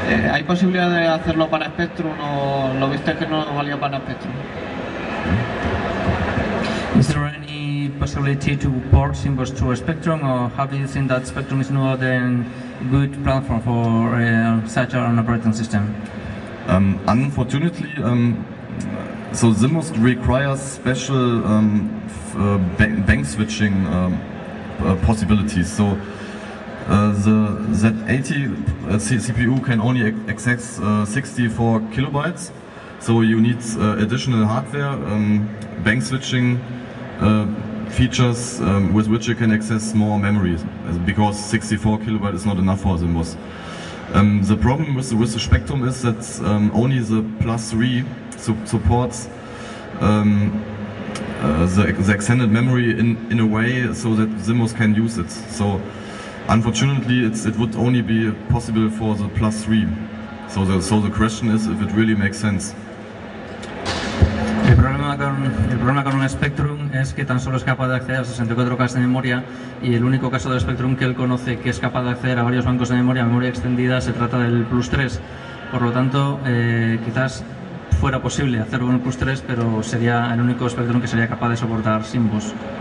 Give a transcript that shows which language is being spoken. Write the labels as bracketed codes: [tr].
[es] ¿Hay posibilidad de hacerlo para Spectrum o lo viste que no valía para Spectrum? [en] Is there any possibility to port symbols to a Spectrum, or have you seen that Spectrum is not a good platform for such an operating system? Unfortunately, so Simbus requires special bank switching possibilities. So the Z80 CPU can only access 64 kilobytes. So you need additional hardware bank switching features with which you can access more memory, because 64 kilobytes is not enough for Simbus. The problem with the Spectrum is that only the +3 supports the extended memory in a way so that Simbus can use it. So unfortunately, it would only be possible for the +3. So the question is if it really makes sense. [es] El problema con un Spectrum es que tan solo es capaz de acceder a 64K de memoria, y el único caso del Spectrum que él conoce que es capaz de acceder a varios bancos de memoria, memoria extendida, se trata del +3. Por lo tanto, quizás fuera posible hacerlo con el +3, pero sería el único Spectrum que sería capaz de soportar Simbus.